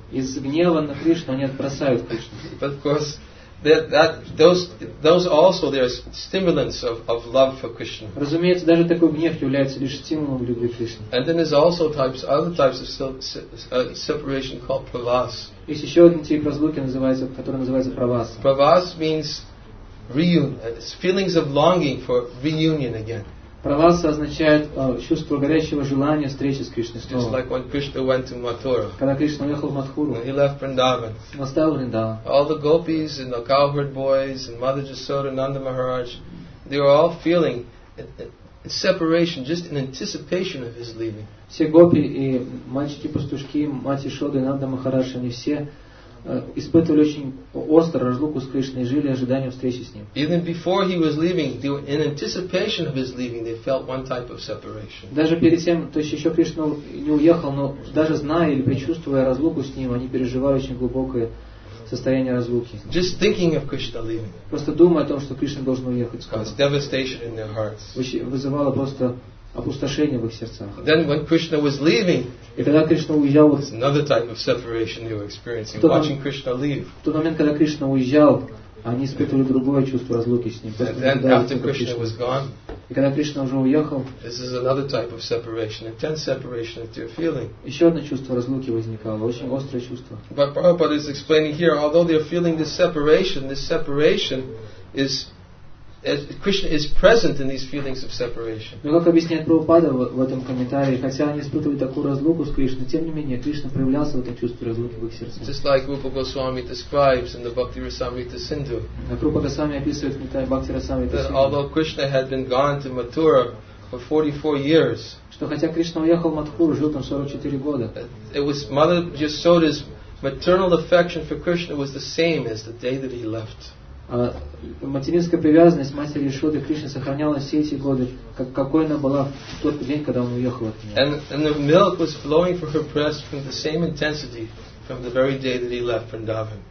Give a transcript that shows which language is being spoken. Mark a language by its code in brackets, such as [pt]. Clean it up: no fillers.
[ru] Из гнева на Кришну они отбрасывают Кришну. [en] But of course, those also there are stimulants of love for Krishna. [ru] Разумеется, даже такой гнев является лишь стимулом любви к Кришне. [en] And then there's also other types of separation called pravas. [ru] Есть еще один тип разлуки, который называется pravas. [en] Pravas means feelings of longing for reunion again. [ru] Pravas означает чувство горячего желания встречи с Кришной снова. [en] Just like when Krishna went to Mathura. [ru] Когда Кришна уехал в Матхуру. [en] He left Vrindavan. [ru] Он оставил Вриндаван. [en] All the gopis and the cowherd boys and Mother Jasoda and Nanda Maharaj, they were all feeling separation just in anticipation of his leaving. [ru] Все гопи и мальчики-пастушки, мать Ишода и Нанда Махарадж, они все испытывали очень острую разлуку с Кришной и жили ожиданием встречи с ним. [en] Even before he was leaving, in anticipation of his leaving, they felt one type of separation. [ru] Даже перед тем, то есть еще Кришна не уехал, но даже зная или предчувствуя разлуку с ним, они переживали очень глубокое состояние разлуки. [en] Just thinking of Krishna leaving. [ru] Просто думая о том, что Кришна должен уехать скоро. [en] Caused devastation in their hearts. [ru] Вызывало просто опустошение в их сердцах. [en] Then when Krishna was leaving, [ru] и когда Кришна уезжал, [en] it's another type of separation they were experiencing, watching Krishna leave. [ru] В тот момент, когда Кришна уезжал, они испытывали другое чувство разлуки с ним. [en] Then after Krishna was gone, [ru] и когда Кришна уже уехал, [en] this is another type of separation, intense separation that they're feeling. [ru] Еще одно чувство разлуки возникало, очень острое чувство. [en] But Prabhupada is explaining here, although they're feeling this separation is Krishna is present in these feelings of separation. [ru] Но как объясняет Прабхупада в этом комментарии, хотя они испытывают такую разлуку с Кришной, тем не менее Кришна проявлялся в этом чувстве разлуки в их сердце. [en] Just like Rupa Goswami describes in the Bhakti Rasamrita Sindhu. [ru] Rupa Goswami описывает в комментарии Бхакти Расамрита Синдху. [en] Although Krishna had been gone to Mathura for 44 years. [ru] Что хотя Кришна уехал в Матхуру, жил там 44 года. [en] It was Mother Yasoda's maternal affection for Krishna was the same as the day that he left. [ru] Материнская привязанность матери Ишоды Кришне сохраняла все эти годы, какой она была в тот день, когда он уехал от нее. [en] And the milk was flowing from her breast from the same intensity from the very day that he left Vrindavan.